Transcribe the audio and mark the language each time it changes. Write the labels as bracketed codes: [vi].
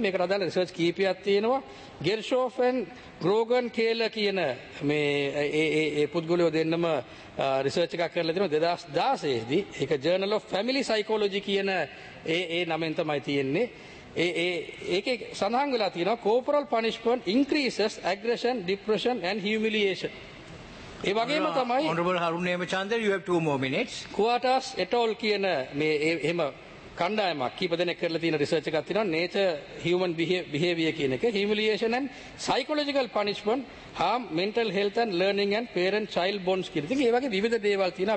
[si] මේකට අදාළ රිසර්ච් කීපයක් තියෙනවා. ගෙර්ෂෝෆෙන් ග්‍රෝගන් කේල කියන මේ ඒ පුද්ගලයෝ දෙන්නම රිසර්ච් එකක් කරලා තියෙනවා 2016. ඒක ජර්නල් ඔෆ් ෆැමිලි සයිකෝලොජි කියන ඒ නමෙන් තමයි තියෙන්නේ. ඒකේ සඳහන් වෙලා තියෙනවා [en] Corporal punishment increases aggression depression and humiliation. [si] ඒ වගේම තමයි [en] Honourable Harun Hemachandra, you have 2 more minutes. [si] කුවාටාස් එටෝල් කියන මේ එහෙම කණ්ඩායමක් කීප දෙනෙක් කරලා තියෙන රිසර්ච් එකක් තියෙනවා. [en] nature human behavior [si] කියන එක, [en] humiliation and psychological punishment harm mental health and learning and parent child bonds [si] කියන ඉතින් ඒ වගේ විවිධ දේවල් තියෙනවා.